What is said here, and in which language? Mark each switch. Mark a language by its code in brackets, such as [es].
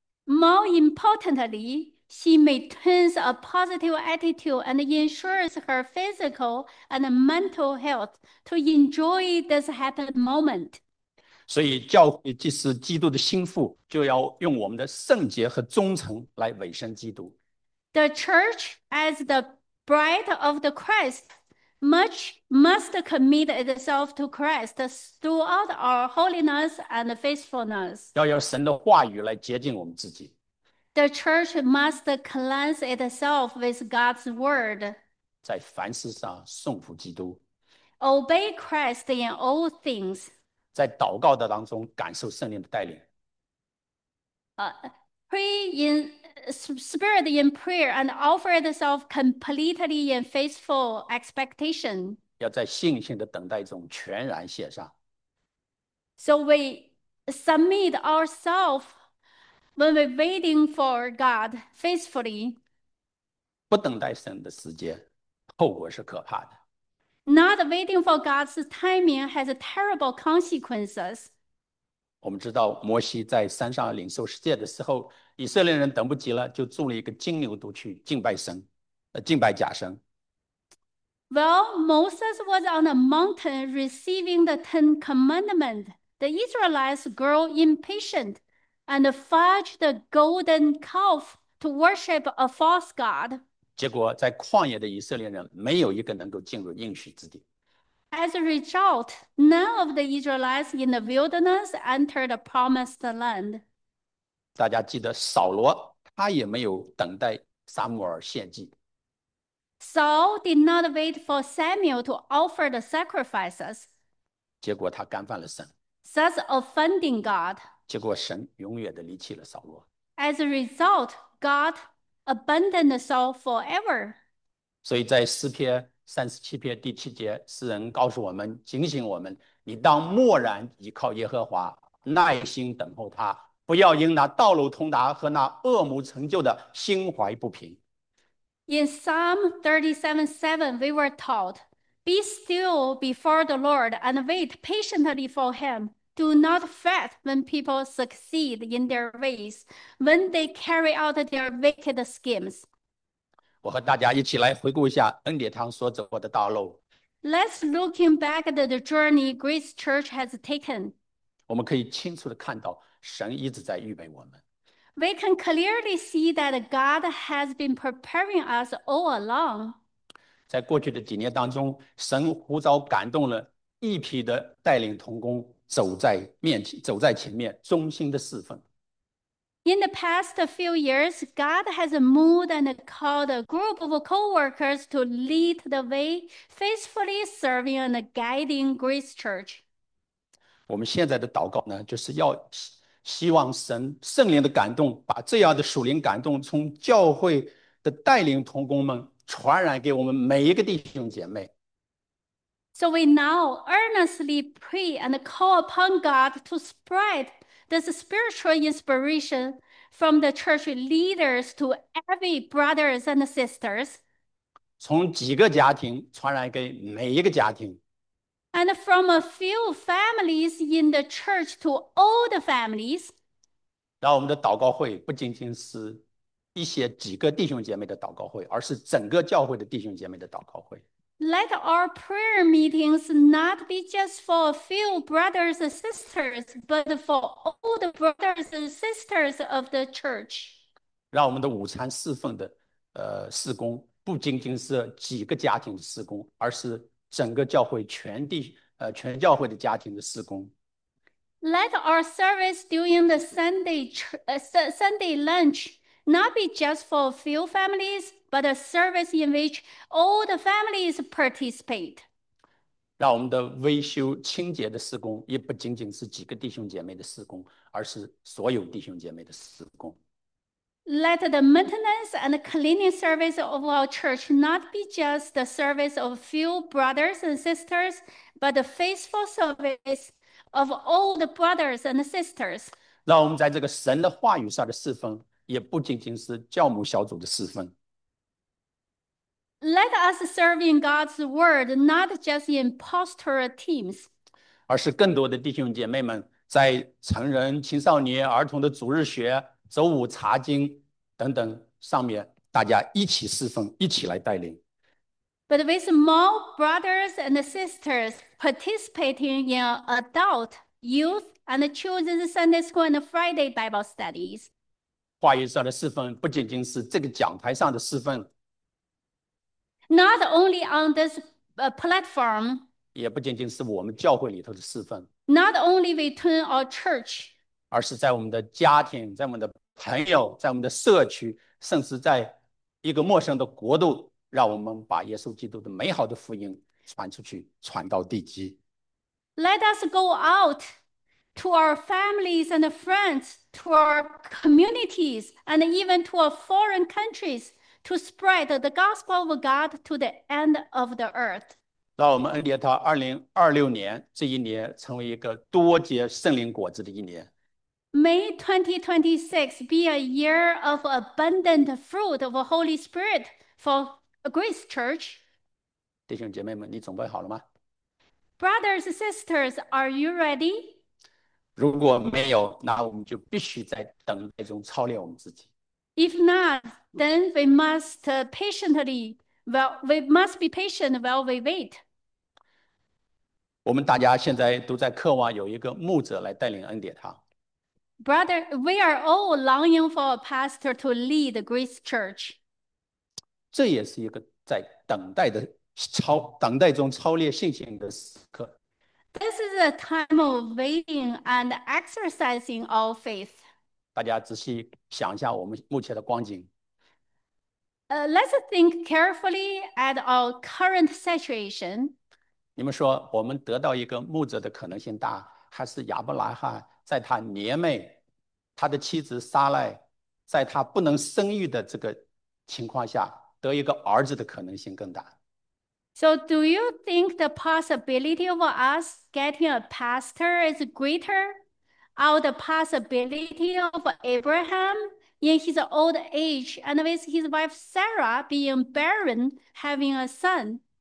[en] More importantly, she maintains a positive attitude and ensures her physical and mental health to enjoy this happy moment. [zh] 所以，教会既是基督的心腹，就要用我们的圣洁和忠诚来委身基督。 [en] The church, as the bride of the Christ, must commit itself to Christ throughout our holiness and faithfulness. [zh] 要用神的话语来洁净我们自己。 [en] The church must cleanse itself with God's word. [zh] 在凡事上顺服基督。 [en] Obey Christ in all things. [zh] 在祷告的当中，感受圣灵的带领。 [en] Pray in Spirit in prayer and offer itself completely in faithful expectation. [zh] 要在信心的等待中全然献上。 [en] So we submit ourselves when we're waiting for God faithfully. [zh] 不等待神的时间，后果是可怕的。 [en] Not waiting for God's timing has terrible consequences. [zh] 我们知道摩西在山上领受十诫的时候，以色列人等不及了，就筑了一个金牛犊去敬拜神，敬拜假神。 [en] Well, Moses was on the mountain receiving the Ten Commandments. The Israelites grew impatient and forged the golden calf to worship a false god. [zh] 结果，在旷野的以色列人没有一个能够进入应许之地。 [en] As a result, none of the Israelites in the wilderness entered the promised land. [zh] 大家记得扫罗，他也没有等待撒母耳献祭。 [en] Saul did not wait for Samuel to offer the sacrifices, [zh] 结果他干犯了神。 [en] thus offending God. [zh] 结果神永远的离弃了扫罗。 [en] As a result, God abandoned Saul forever. [zh] 所以在诗篇37篇第七节，诗人告诉我们，警醒我们：你当默然依靠耶和华，耐心等候他，不要因那道路通达和那恶魔成就的心怀不平。 [en] In Psalm 37:7, we were taught, "Be still before the Lord and wait patiently for Him. Do not fret when people succeed in their ways, when they carry out their wicked schemes." [zh] 我和大家一起来回顾一下恩典堂所走过的道路。 [en] Let's looking back at the journey Grace Church has taken. [zh] 我们可以清楚的看到，神一直在预备我们。 [en] We can clearly see that God has been preparing us all along. [zh] 在过去的几年当中，神呼召感动了一批的带领同工，走在前面，忠心的侍奉。 [en] In the past few years, God has moved and called a group of co-workers to lead the way, faithfully serving and guiding Grace Church. [zh] 我们现在的祷告呢，就是要希望神圣灵的感动，把这样的属灵感动从教会的带领同工们传染给我们每一个弟兄姐妹。 [en] So we now earnestly pray and call upon God to spread this spiritual inspiration from the church leaders to every brothers and sisters. [zh] 从几个家庭传染给每一个家庭。 [en] And from a few families in the church to all the families. [zh] 让我们的祷告会不仅仅是一些几个弟兄姐妹的祷告会，而是整个教会的弟兄姐妹的祷告会。 [en] Let our prayer meetings not be just for a few brothers and sisters, but for all the brothers and sisters of the church. [zh] 让我们的午餐侍奉的事工不仅仅是几个家庭的事工，而是整个教会全教会的家庭的事工。 [en] Let our service during the Sunday lunch not be just for a few families, but a service in which all the families participate. [zh] 让我们的维修清洁的事工，也不仅仅是几个弟兄姐妹的事工，而是所有弟兄姐妹的事工。 [en] Let the maintenance and cleaning service of our church not be just the service of a few brothers and sisters, but the faithful service of all the brothers and sisters. [zh] 让我们在这个神的话语上的侍奉，也不仅仅是教牧小组的侍奉。 [en] Let us serve in God's word, not just in pastoral teams. [zh] 而是更多的弟兄姐妹们在成人、青少年、儿童的主日学、周五查经等等上面，大家一起侍奉，一起来带领。 [en] But with more brothers and sisters participating in adult, youth, and children's Sunday school and Friday Bible studies. [zh] 话语上的侍奉不仅仅是这个讲台上的侍奉。 [en] Not only on this platform, [zh] 也不仅仅是我们教会里头的侍奉， [en] not only within our church, [zh] 而是在我们的家庭、在我们的朋友、在我们的社区，甚至在一个陌生的国度，让我们把耶稣基督的美好的福音传出去，传到地基。 [en] let us go out to our families and friends, to our communities, and even to our foreign countries. To spread the gospel of God to the end of the earth. [zh] 让我们恩典堂2026年这一年成为一个多结圣灵果子的一年。 [en] May 2026 be a year of abundant fruit of Holy Spirit for Grace Church. [zh] 弟兄姐妹们，你准备好了吗？ [en] Brothers and sisters, are you ready? [zh] 如果没有，那我们就必须在等待中操练我们自己。 [en] If not, then we must patiently, well, we must be patient while we wait. [zh] 我们大家现在都在渴望有一个牧者来带领恩典堂。 [en] Brother, we are all longing for a pastor to lead Grace Church. [zh] 这也是一个在等待中操练信心的时刻。 [en] This is a time of waiting and exercising our faith. [zh] 大家仔细想一下我们目前的光景。 [en] Let's think carefully at our current situation. [zh] 你们说，我们得到一个牧者的可能性大，还是亚伯拉罕在他年迈、他的妻子撒赖，在他不能生育的这个情况下，得一个儿子的可能性更大？ [en] So, do you think the possibility of us getting a pastor is greater or the possibility of Abraham in his old age and with his wife Sarah being barren, having a son?